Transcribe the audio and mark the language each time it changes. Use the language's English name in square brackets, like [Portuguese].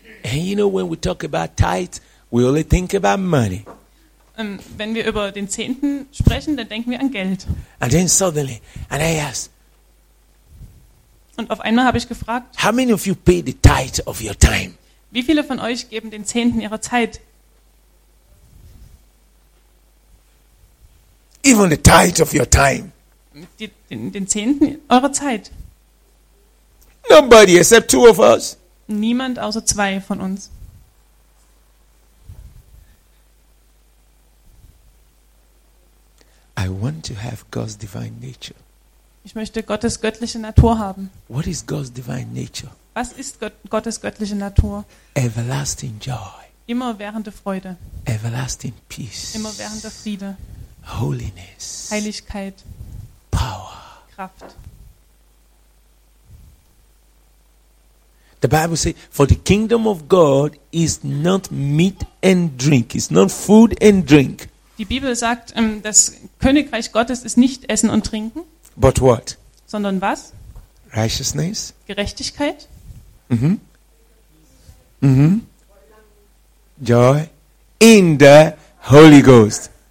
[English] And you know, when we talk about tithe, we only think about money. [German] Wenn wir über den Zehnten sprechen, dann denken wir an Geld. [English] And then suddenly, and I asked, [German] und auf einmal habe ich gefragt, [English] how many of you pay the tithe of your time? [German] Wie viele von euch geben den Zehnten ihrer Zeit? [English] Even the tithe of your time. [German] Den Zehnten eurer Zeit. [English] Nobody except two of us. [German] Niemand außer zwei von uns. [English] I want to have God's divine nature. [German] Ich möchte Gottes göttliche Natur haben. [English] What is God's divine nature? [German] Was ist Gottes göttliche Natur? [English] Everlasting joy. [German] Immerwährende Freude. [English] Everlasting peace. [German] Immerwährender Friede. [English] Holiness. [German] Heiligkeit. [English] Power. [German] Kraft. [English] The Bible says, for the kingdom of God is not meat and drink. It's not food and drink. [German] Die Bibel sagt, das Königreich Gottes ist nicht Essen und Trinken. [English] But what? [German] Sondern was? [English] Righteousness. [German] Gerechtigkeit. [English] Mm-hmm. Mm-hmm. Joy in the Holy Ghost.